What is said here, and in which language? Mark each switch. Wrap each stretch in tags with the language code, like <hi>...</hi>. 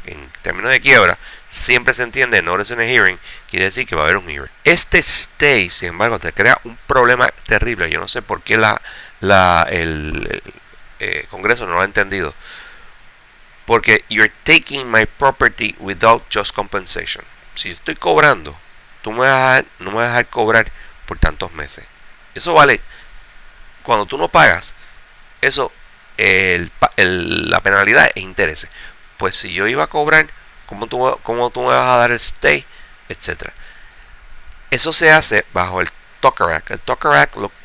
<es>En términos de quiebra, siempre se entiende</es> <en>notice and a hearing,</en> <es>quiere decir que va a haber un hearing. Este stay, sin embargo, te crea un problema terrible. Yo no sé por qué el Congreso no lo ha entendido. Porque</es> <en>you're taking my property without just compensation.</en> <es>Si estoy cobrando, tú no me vas a dejar cobrar por tantos meses. Eso vale. Cuando tú no pagas, eso... la penalidad es interés. Pues si yo iba a cobrar, ¿cómo tú me vas a dar el stay, etcétera? Eso se hace bajo el Tucker Act. El Tucker Act, lo</es>